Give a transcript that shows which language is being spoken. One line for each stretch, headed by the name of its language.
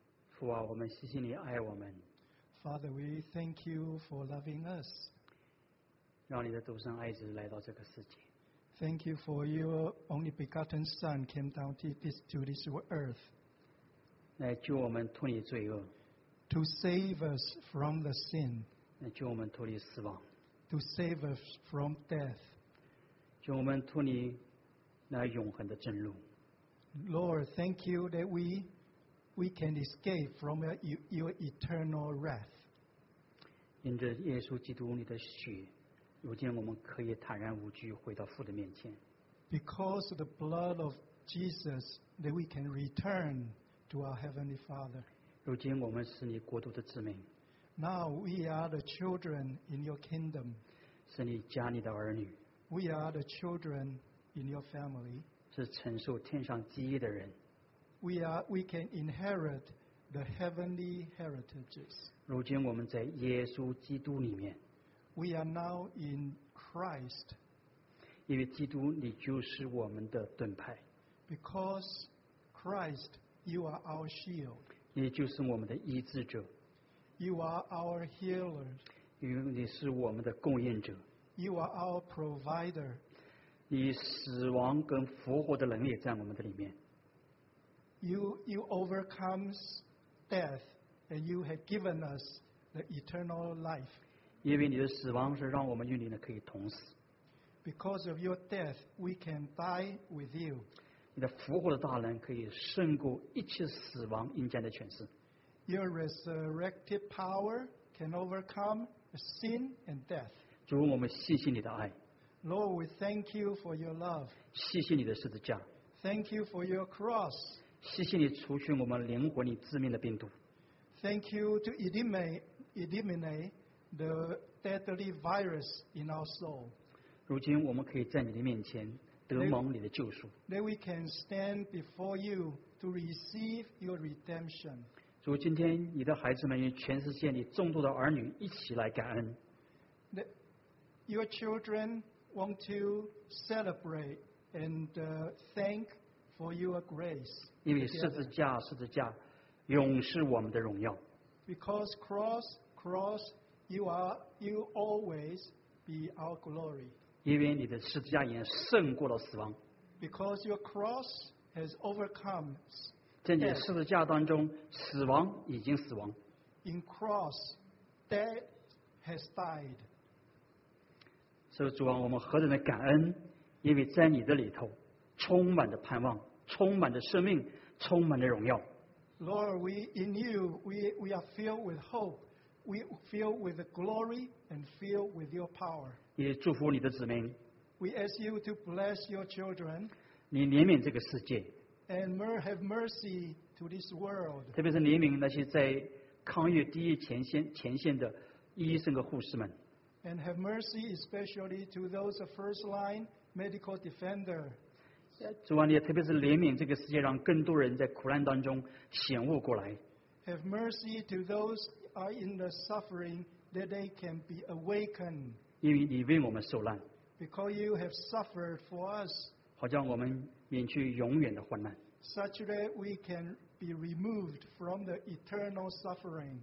Chinese: 父啊，我们谢谢你爱我们。
English: Father, we thank you for loving us.
Chinese: 让你的独生爱子来到这个世界。
English: Thank you for your only begotten Son came down to this earth.
Chinese: 来救我们脱离罪恶。
English: To save us from the sin.
Chinese: 来救我们脱离死亡。
English: To save us from death.
Chinese: 救我们脱离那永恒的真路。
English: Lord, thank you that we can escape from your eternal wrath.
Chinese: 因着耶稣基督你的血，如今我们可以坦然无惧回到父的面前。
English: Because of the blood of Jesus, that we can return to our heavenly Father.
Chinese: 如今我们是你国度的子民。
English: Now we are the children in your kingdom.
Chinese: 是你家里的儿女。
English: We are the children in your family.
Chinese: 是承受天上基业的人。
English: We can inherit the heavenly heritages.
Chinese: 如今我们在耶稣基督里面。
English: We are now in Christ.
Chinese: 因为基督你就是我们的盾牌。
English: Because Christ, you are our shield.
Chinese: 你就是我们的医治者。
English: You are our healer.
Chinese: 因为你是我们的供应者。
English: You are our provider.
Chinese: 你死亡跟复活的能力在我们的里面。
English: You overcome death and you have given us the eternal life.
Chinese: 因为你的死亡是让我们与你可以同死。
English: Because of your death, we can die with you.
Chinese: 你的复活的大能可以胜过一切死亡阴间的权势。
English: Your resurrected power can overcome sin and death.
Chinese: 主，我们谢谢你的爱。
English: Lord, we thank you for your love.
Chinese: 谢谢你的十字架。
English: Thank you for your cross.
Chinese: 谢谢你除去我们灵魂里致命的病毒。
English: Thank you to eliminate the deadly virus in our soul.
Chinese: 如今我们可以在你的面前得蒙你的救赎。
English: That we can stand before you to receive your redemption.
Chinese: 主，今天你的孩子们与全世界里众多的儿女一起来感恩。
English: That your children want to celebrate and thank for your grace.
Chinese: 因为十字架，十字架，永是我们的荣耀。
English: Because cross, you always be our glory.
Chinese: 因为你的十字架已经胜过了死亡。
English: Because your cross has overcome.
Chinese: 在你十字架当中，死亡已经死亡。
English: In cross, death has died.
Chinese: 所以主啊，我们何等的感恩，因为在你的里头，充满着盼望，充满着生命。充满了荣耀。
English: Lord, we in you, we are filled with hope, we filled with the glory and filled with your power.
Chinese: 也祝福你的子民。
English: We ask you to bless your children.
Chinese: 你怜悯这个世界。
English: And have mercy to this world.
Chinese: 特别是怜悯那些在抗疫第一前线的医生和护士们。
English: And have mercy especially to those first line medical defender.
Chinese: 主啊，你也特别是怜悯这个世界，让更多人在苦难当中醒悟过来。
English: Have mercy to those are in the suffering that they can be awakened.
Chinese: 因为你为我们受难。
English: Because you have suffered for us.
Chinese: 好像我们免去永远的患难。
English: Such that we can be removed from the eternal suffering.